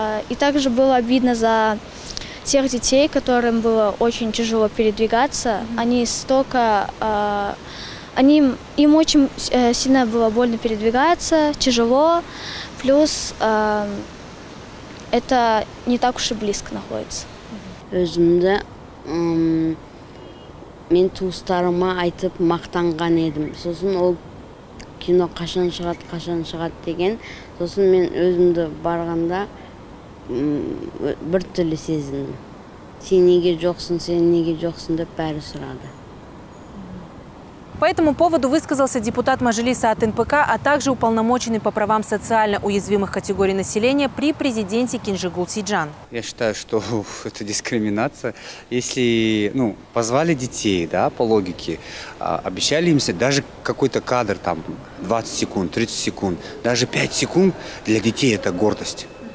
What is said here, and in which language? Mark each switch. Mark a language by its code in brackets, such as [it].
[ru] И также было обидно за тех детей, которым было очень тяжело передвигаться, им очень сильно было больно передвигаться, тяжело, плюс это не так уж и близко находится. [kk] Өзімді мен туыстарыма айтып мақтанған едім. Сосын ол кино қашан шығат деген. Сосын мен өзімді барғанда бір түрлі сезіндім. Сен неге жоқсың, сен неге жоқсың деп бәрі сұрады. [ru] По этому поводу высказался депутат Мажилиса от НПК, а также уполномоченный по правам социально уязвимых категорий населения при президенте Кинжигул Сиджан. Я считаю, что это дискриминация. Если позвали детей, да, по логике, обещали им даже какой-то кадр, там 20 секунд, 30 секунд, даже 5 секунд, для детей это гордость.